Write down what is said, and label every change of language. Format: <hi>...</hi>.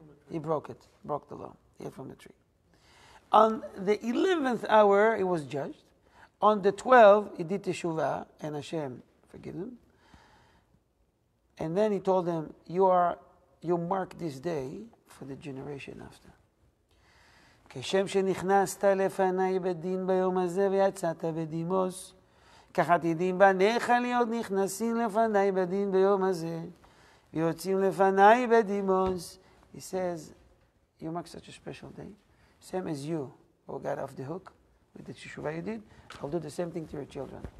<en>He broke it, broke the law. He ate from the tree. On the 11th hour, he was judged. On the 12th, he did teshuvah, and Hashem forgive him. And then he told them, you mark this day for the generation after.</en> <he>כשם שנכנסת לפני בדין ביום הזה ויצאת בדימוס, כך עתידים בניך להיות נכנסים לפני בדין ביום הזה ויוצאים לפני בדימוס.</he> <en>He says, you mark such a special day. Same as you, who got off the hook. With the teshuvah you did, I'll do the same thing to your children.</en>